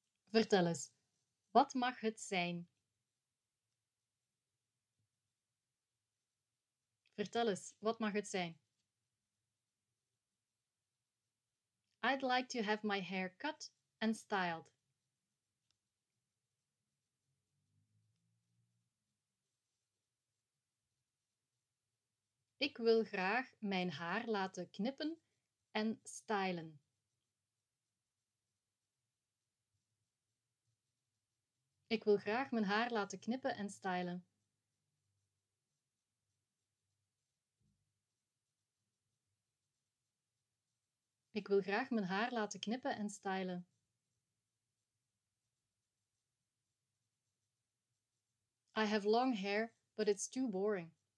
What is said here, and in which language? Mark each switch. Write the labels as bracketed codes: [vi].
[nl] Vertel eens, wat mag het zijn? Vertel eens, wat mag het zijn? [en] I'd like to have my hair cut and styled. [nl] Ik wil graag mijn haar laten knippen en stylen. Ik wil graag mijn haar laten knippen en stylen. Ik wil graag mijn haar laten knippen en stylen. [en] I have long hair, but it's too boring.